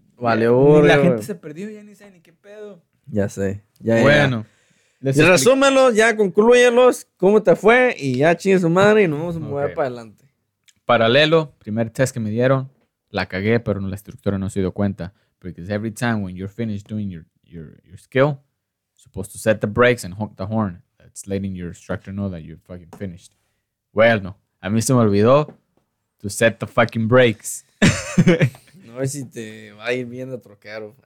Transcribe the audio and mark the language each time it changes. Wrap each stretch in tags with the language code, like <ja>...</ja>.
<es>Vale, burro. La gente se perdió, ya ni sabe ni qué pedo. Ya sé. Ya, bueno. Ya. Y resúmenlos, ya conclúyelos, cómo te fue, y ya chingue su madre y nos vamos a mover para adelante. Paralelo, primer test que me dieron, la cagué, pero la instructora no se dio cuenta.</es> <en>Because every time when you're finished doing your skill, you're supposed to set the brakes and honk the horn. That's letting your instructor know that you're fucking finished.</en> <es>Well, no, a mí se me olvidó</es> <en>to set the fucking brakes.</en> <es>No sé si te va a ir bien a troquear.</es>